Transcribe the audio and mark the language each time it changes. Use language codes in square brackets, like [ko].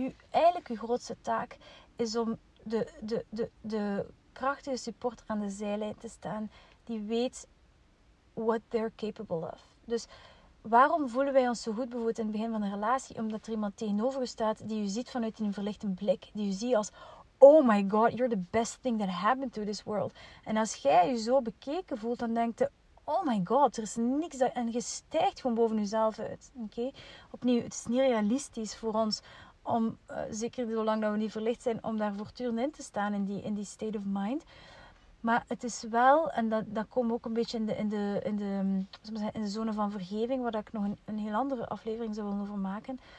[nl] Eigenlijk uw grootste taak is om de krachtige supporter aan de zijlijn te staan. Die weet [en] what they're capable of. [nl] Dus waarom voelen wij ons zo goed bijvoorbeeld in het begin van een relatie? Omdat er iemand tegenover u staat die u ziet vanuit een verlichte blik. Die u ziet als, [en] oh my god, you're the best thing that happened to this world. [nl] En als jij je zo bekeken voelt, dan denkt je, oh my god, er is niks. En je stijgt gewoon boven jezelf uit. Okay? Opnieuw, het is niet realistisch voor ons om, zeker zolang dat we niet verlicht zijn, om daar voortdurend in te staan in die [en] state of mind. [nl] Maar het is wel, en dat komt ook een beetje in de zone van vergeving, waar ik nog een heel andere aflevering zou willen over maken.